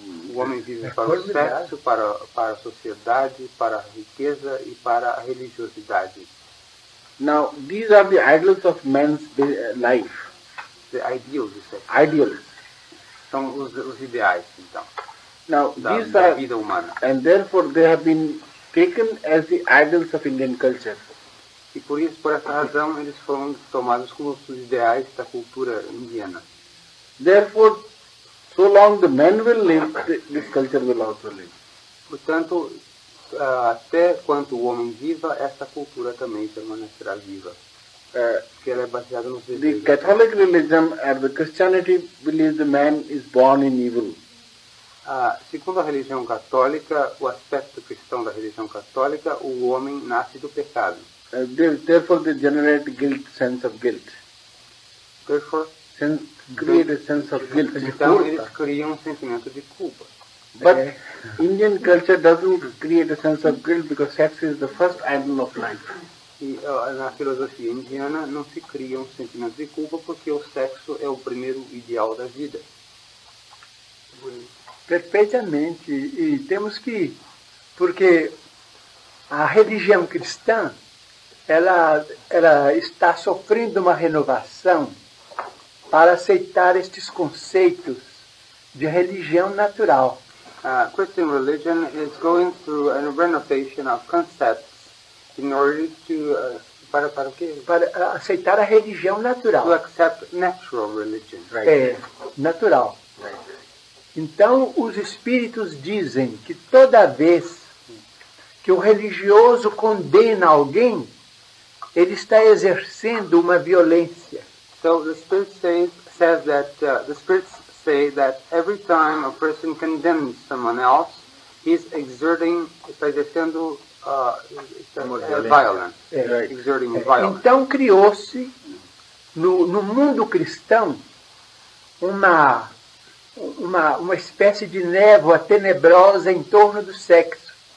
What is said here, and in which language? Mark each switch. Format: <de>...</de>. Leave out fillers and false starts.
<pt>O homem vive para o sexo, para a sociedade, para a riqueza e para a religiosidade.</pt> <en>Now, these are the idols of man's life. The ideals, you say. Ideals.</en> <pt>São os ideais, então.</pt> <en>Now, these are...</en> <pt>Da vida humana.</pt> <en>And therefore, they have been taken as the idols of Indian culture.</en> <pt>E por isso, por essa razão, eles foram tomados como os ideais da cultura indiana.</pt> <en>Therefore, so long the man will live, this culture will also live.</en> <pt>Portanto, até quanto o homem viva, essa cultura também permanecerá viva. Porque ela é baseada nos desejos.</pt> <en>The Catholic religion and the Christianity believe the man is born in evil.</en> <pt>Segundo a religião católica, o aspecto cristão da religião católica, o homem nasce do pecado.</pt> <en>Therefore, they generate guilt, sense of guilt. Therefore, create a sense of guilt.</en> <pt>Então, eles criam um sentimento de culpa.</pt> <en>But Indian culture doesn't create a sense of guilt because sex is the first idol of life.</en> <pt>Na filosofia indiana não se cria um sentimento de culpa porque o sexo é o primeiro ideal da vida. Perfeitamente. E temos que... Porque a religião cristã, ela está sofrendo uma renovação para aceitar estes conceitos de religião natural.</pt> <en>Christian religion is going through a renovation of concepts in order to</en> <pt>para o quê? Para aceitar a religião natural.</pt> <en>To accept natural religion,</en> <pt>right? É natural.</pt> <en>Right.</en> <pt>Então os espíritos dizem que toda vez que o religioso condena alguém, ele está exercendo uma violência.</pt> <en>So the spirit says that every time a person condemns someone else, he's exerting,</en> <pt>está exercendo</pt> <en>violence. Exerting violence.</en> <pt>Então criou-se no mundo cristão uma espécie de névoa tenebrosa em torno do sexo.</pt>